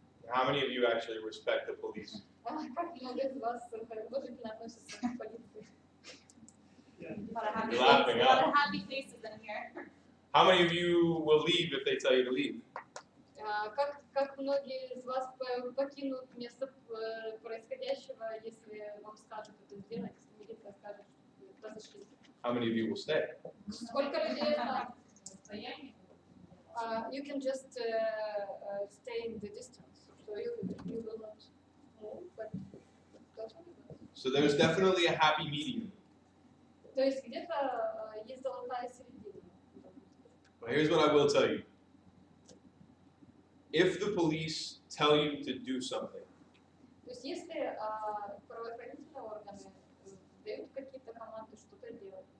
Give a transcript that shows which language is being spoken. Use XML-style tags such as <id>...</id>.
<en>How many of you actually respect the police?</en> <ru>Как много из вас уважительно относятся к полиции?</ru> <en>Yeah. A lot of happy faces in here. How many of you will leave if they tell you to leave?</en> <ru>Как многие из вас покинут место происходящего, если вам скажут это сделать, если вы скажете разошлись?</ru> <en>How many of you will stay?</en> <ru>Сколько людей</ru> <en>you can just stay in the distance, so you will not move. But that's so there's definitely a happy medium.</en> <ru>То есть где-то есть золотая середина.</ru> <en>But here's what I will tell you. If the police tell you to do something,</en> <ru>то есть если правоохранительные органы дают какие-то команды что-то делать,</ru>